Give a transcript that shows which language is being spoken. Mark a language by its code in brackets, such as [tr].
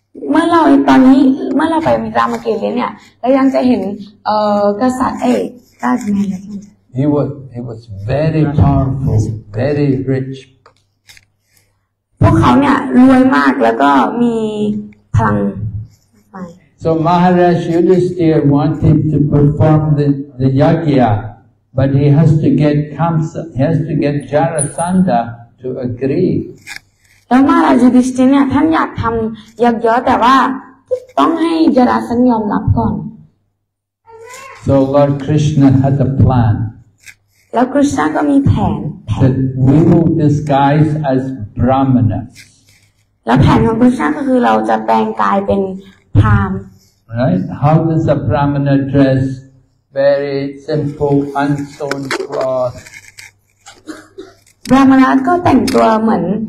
[th] เมื่อเราไปมีรามเกียรติเนี่ยเรายังจะเห็นกษัตริย์ราชแม่อะไรที่ [en] He was very powerful, very rich. [th] พวกเขาเนี่ยรวยมากแล้วก็มีพลังไ [en] ป So Maharaj Yudhisthira wanted to perform the yagya, but he has to get Kamsa, he has to get Jarasandha to agree. [th] แล้วมาราจุดิสติเนี่ยท่านอยากทำยักษ์ยอแต่ว่าต้องให้จาราสันยอมรับก่อน [en] So Lord Krishna had a plan [th] แล้วคริชนาก็มีแผน [en] That we will disguise as Brahmana [th] แล้วแผนของคริชนาก็คือเราจะแปลงกายเป็นพราม [en] ณ์ Right How does a Brahmana dress very simple unsewn cloth [th] Brahmana ก็แต่งตัวเหมือน